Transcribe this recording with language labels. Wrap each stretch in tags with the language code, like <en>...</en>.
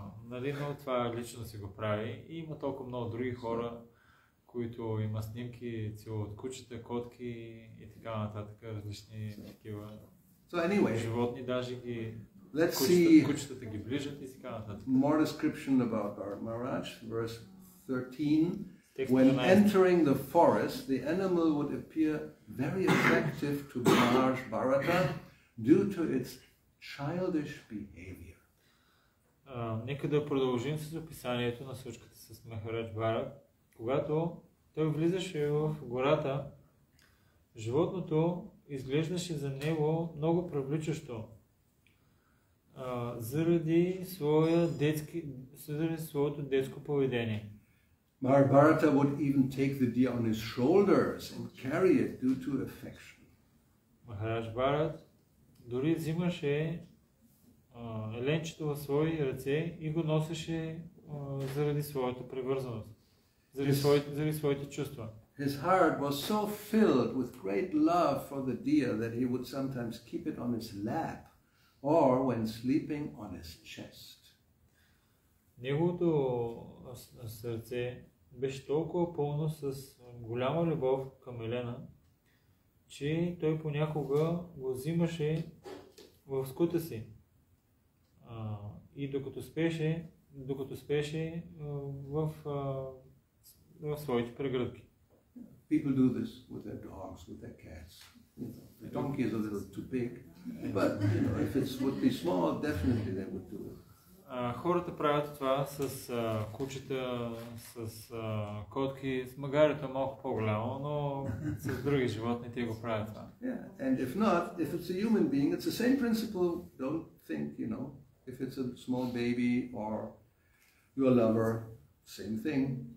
<bg>Нали, но това лично си го прави. И има толкова много други хора, които има снимки, цяло от кучета, котки и така нататък, различни такива животни, даже ги кучетата ги ближат и така нататък.</bg> <en>More description about Bharat Maharaj, verse 13. When entering the forest, the animal would appear very attractive to Maharaj Bharata due to its childish behavior.</en> <bg>Нека да продължим с описанието на случката с Махарадж Барат, когато той влизаше в гората, животното изглеждаше за него много привличащо, заради своето детско поведение.</bg> <en>Maharaj Bharata would even take the deer on his shoulders and carry it due to affection.</en> <bg>Maharaj Bharat дори взимаше еленчето в свои ръце и го носеше заради своята привързаност, заради своите чувства.</bg> <en>His heart was so filled with great love for the deer that he would sometimes keep it on his lap or when sleeping on his chest.</en> <bg>Неговото сърце беше толкова пълно с голяма любов към елена, че той понякога го взимаше в скута си. И докато спеше в своите прегръдки.</bg> <en>People do this with their dogs, with their cats. The donkey is a little too big, but if it would be small, definitely they would do it.</en> <bg>Хората правят това с кучета, с котки, с магарето малко по-голямо, но с други животни те го правят това.</bg> <en>Yeah, and if not, if it's a human being, it's the same principle. Don't think, you know, if it's a small baby or your lover, same thing.</en>